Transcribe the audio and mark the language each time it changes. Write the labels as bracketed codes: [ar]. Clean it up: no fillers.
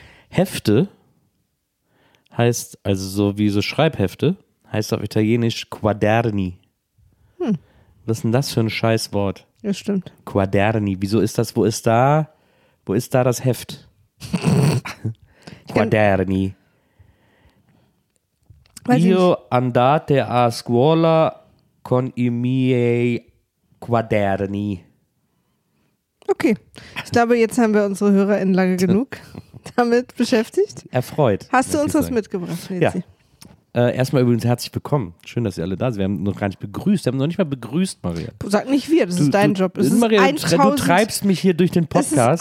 [de] Hefte heißt, also so wie so Schreibhefte, heißt auf Italienisch Quaderni. Was ist denn das für ein Scheißwort? Das stimmt. Quaderni, wieso ist das, wo ist da das Heft? Quaderni. [it] Io andate a scuola con i miei quaderni. [de] Okay, ich glaube, jetzt haben wir unsere HörerInnen lange genug damit beschäftigt. Erfreut. Hast du uns was mitgebracht, Lizzie? Ja. Erstmal übrigens herzlich willkommen. Schön, dass ihr alle da seid. Wir haben noch gar nicht begrüßt. Wir haben noch nicht mal begrüßt, Maria. Sag nicht wir, das ist dein Job. Es ist Maria, 1000, du treibst mich hier durch den Podcast.